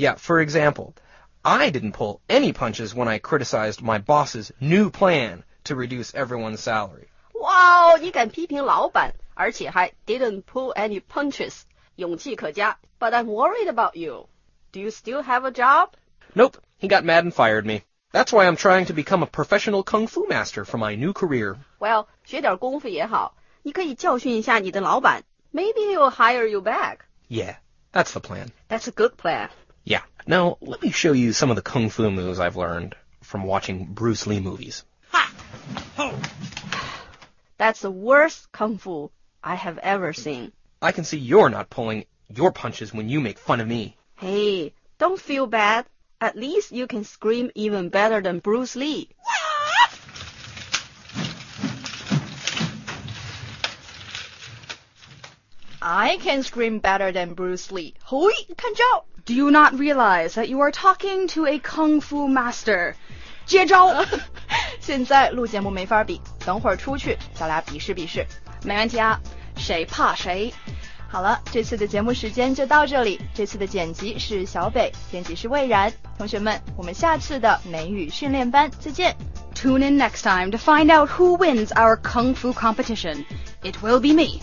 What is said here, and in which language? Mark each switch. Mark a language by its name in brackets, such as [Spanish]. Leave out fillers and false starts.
[English] Yeah, for example... I didn't pull any punches when I criticized my boss's new plan to reduce everyone's salary. [Chinese] Wow, 你敢批评老板，而且还 [English] didn't pull any punches, [Chinese] 勇气可嘉。 [English] But I'm worried about you. Do you still have a job? Nope, he got mad and fired me. That's why I'm trying to become a professional kung fu master for my new career. [Chinese] Well, 学点功夫也好，你可以教训一下你的老板。 [English] Maybe he'll hire you back. Yeah, that's the plan. That's a good plan. Yeah, now let me show you some of the kung fu moves I've learned from watching Bruce Lee movies. Ha! Ho! That's the worst kung fu I have ever seen. I can see you're not pulling your punches when you make fun of me. Hey, don't feel bad. At least you can scream even better than Bruce Lee. I can scream better than Bruce Lee. Hui, [Chinese] 看招！ [English] Do you not realize that you are talking to a kung fu master? [Chinese] 接招！现在录节目没法比，等会儿出去咱俩比试比试，没问题啊，谁怕谁？好了，这次的节目时间就到这里。这次的剪辑是小北，编辑是蔚然。同学们，我们下次的美语训练班再见。 [English] Tune in next time to find out who wins our kung fu competition. It will be me.